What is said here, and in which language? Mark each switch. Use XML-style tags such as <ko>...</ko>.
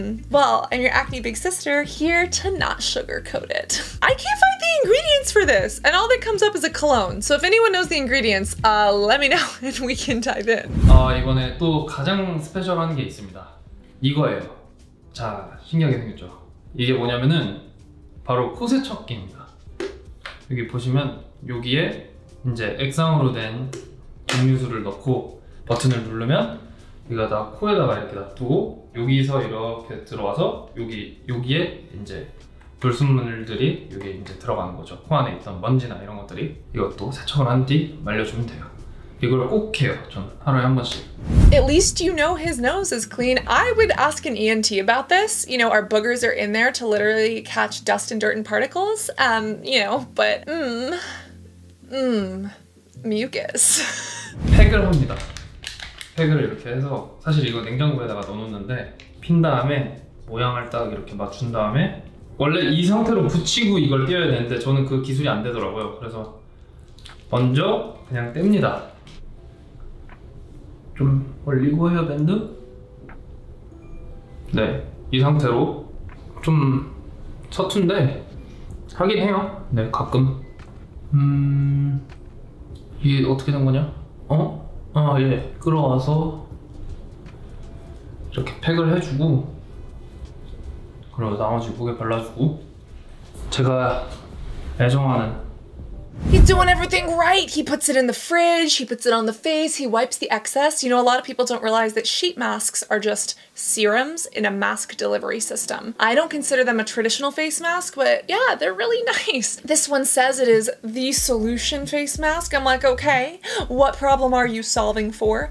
<en>Well, I'm your acne big sister here to not sugarcoat it. I can't find the ingredients for this, and all that comes up is a cologne. So if anyone knows the ingredients, let me know and we can dive in.</en> <ko>이번에 또 가장 스페셜한 게 있습니다. 이거예요. 자, 신기하게 생겼죠. 이게 뭐냐면은 바로 코 세척기입니다. 여기 보시면 여기에 이제 액상으로 된 음료수를 넣고 버튼을 누르면 여기가 다 코에다가 이렇게 놔두고 여기서 이렇게 들어와서 여기에 이제 불순물들이 여기에 이제 들어가는 거죠. 코 안에 있던 먼지나 이런 것들이 이것도 세척을 한 뒤 말려주면 돼요. 이걸 꼭 해요. 저는 하루에 한 번씩.</ko> <en>At least you know his nose is clean. I would ask an ENT about this. You know, our boogers are in there to literally catch dust and dirt and particles. You know, but mucus.</en> <ko>팩을 합니다. 팩을 이렇게 해서 사실 이거 냉장고에다가 넣어놓는데 핀 다음에 모양을 딱 이렇게 맞춘 다음에 원래 이 상태로 붙이고 이걸 떼어야 되는데 저는 그 기술이 안 되더라고요. 그래서 먼저 그냥 뗍니다. 좀 벌리고 해야 밴드? 네, 이 상태로 좀 서툰데 하긴 해요. 네, 가끔. 이게 어떻게 된 거냐? 어? 아, 예. 끌어와서 이렇게 팩을 해주고 그리고 나머지 무게 발라주고 제가 애정하는</ko> <en>He's doing everything right. He puts it in the fridge, he puts it on the face, he wipes the excess. You know, a lot of people don't realize that sheet masks are just serums in a mask delivery system. I don't consider them a traditional face mask, but yeah, they're really nice. This one says it is the solution face mask. I'm like, okay, what problem are you solving for?</en>